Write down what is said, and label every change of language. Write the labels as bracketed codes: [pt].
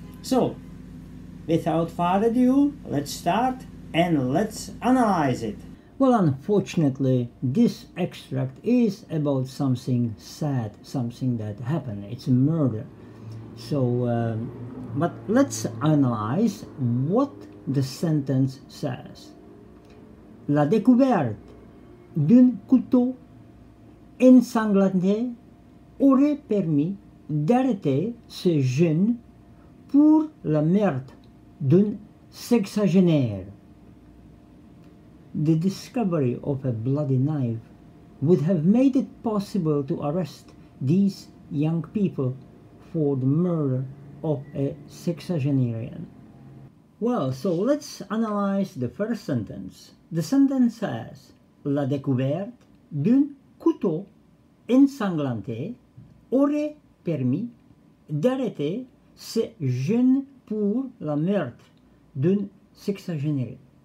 [en] So, without further ado, let's start and let's analyze it. Well, unfortunately, this extract is about something sad, something that happened. It's a murder. So, but let's analyze what the sentence says. [fr] La découverte d'un couteau ensanglanté aurait permis d'arrêter ce jeune pour la meurtre d'un sexagénaire. [en] The discovery of a bloody knife would have made it possible to arrest these young people for the murder of a sexagenarian. Well, so let's analyze the first sentence. The sentence says, [fr] La découverte d'un couteau ensanglanté aurait permis d'arrêter ce jeune pour la meurtre d'un sexagénaire.